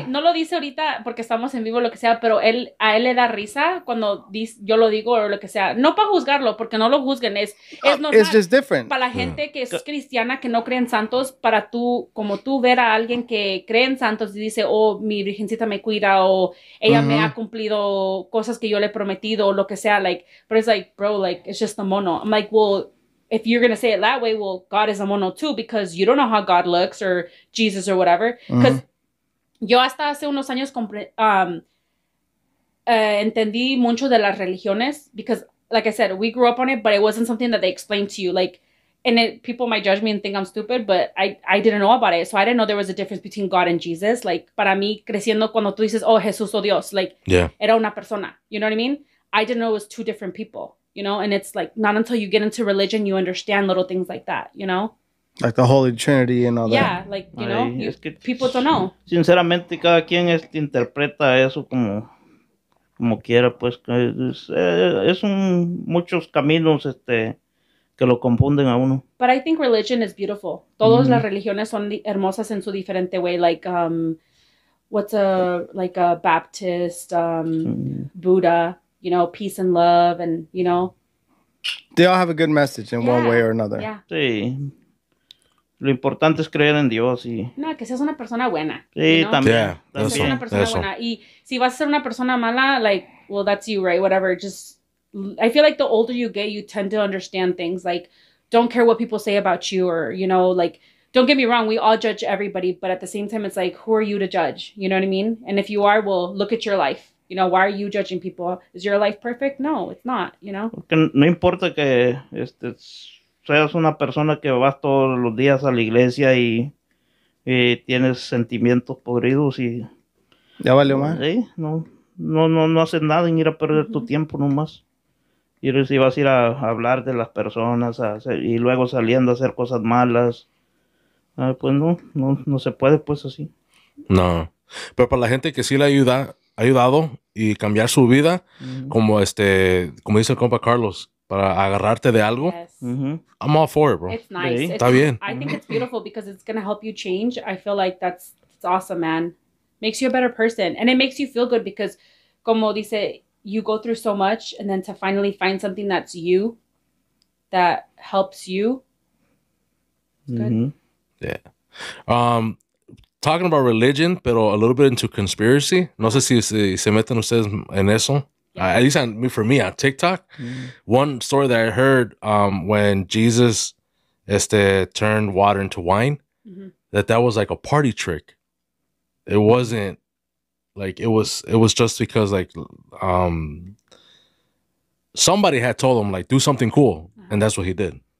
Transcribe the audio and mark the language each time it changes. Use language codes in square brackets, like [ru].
[es] No lo dice ahorita porque estamos en vivo o lo que sea, pero él a él le da risa cuando yo lo digo o lo que sea. No para juzgarlo, porque no lo juzguen. Es normal. [en] It's just different. [es] Para la gente que es cristiana, que no cree en santos, para tú, como tú ver a alguien que cree en santos y dice, oh, mi virgencita me cuida o ella me ha cumplido cosas que yo le he prometido o lo que sea. [en] Like, but it's like, bro, like, it's just a mono. I'm like, well... If you're going to say it that way, well, God is a mono too, because you don't know how God looks or Jesus or whatever. Because [es] yo hasta hace unos años entendí mucho de las religiones, [en] because like I said, we grew up on it, but it wasn't something that they explained to you. Like, and it, people might judge me and think I'm stupid, but I didn't know about it. So I didn't know there was a difference between God and Jesus. [es] Like, para mí, creciendo, cuando tú dices, oh, Jesús o Dios, like, era una persona. [en] You know what I mean? I didn't know it was two different people. You know, and it's like not until you get into religion you understand little things like that, you know? Like the Holy Trinity and all that. Yeah, like, you know, people don't know. [es] Sinceramente, cada quien interpreta eso como quiera, pues. Es un muchos caminos que lo confunden a uno. [en] But I think religion is beautiful. [es] Todas las religiones son hermosas en su diferente [en] way, like, what's a, like a Baptist, Buddha. You know, peace and love, and, you know. They all have a good message in one way or another. Yeah. [es] Sí. Lo importante es creer en Dios y... No, que seas una persona buena. Sí, [en] you know? [es] También. [en] Yeah, that's [es] una persona buena. Y si vas a ser una persona mala, [en] like, well, that's you, right? Whatever. Just, I feel like the older you get, you tend to understand things. Like, don't care what people say about you or, you know, like, don't get me wrong. We all judge everybody. But at the same time, it's like, who are you to judge? You know what I mean? And if you are, well, look at your life. You know, why are you judging people? Is your life perfect? No, it's not, you know? [es] Porque no importa que seas una persona que vas todos los días a la iglesia y tienes sentimientos podridos y... ¿Ya valió más? Sí, no haces nada en ir a perder tu tiempo nomás. Y si vas a ir a hablar de las personas y luego saliendo a hacer cosas malas, pues no se puede, pues, así. No, pero para la gente que sí le ayuda... ayudado y cambiar su vida, como como dice el compa Carlos, para agarrarte de algo. [en] Yes. I'm all for it, bro. It's nice. [es] Está [en] it's, [es] bien. [en] I think it's beautiful because it's going to help you change. I feel like that's awesome, man. Makes you a better person. And it makes you feel good because, [es] como dice, [en] you go through so much and then to finally find something that's you, that helps you. Good. Yeah. Talking about religion, pero a little bit into conspiracy. [es] No sé si se meten ustedes en eso. [en] At least for me, on TikTok. One story that I heard when Jesus turned water into wine, that was like a party trick. It wasn't like it was just because like somebody had told him like do something cool, and that's what he did.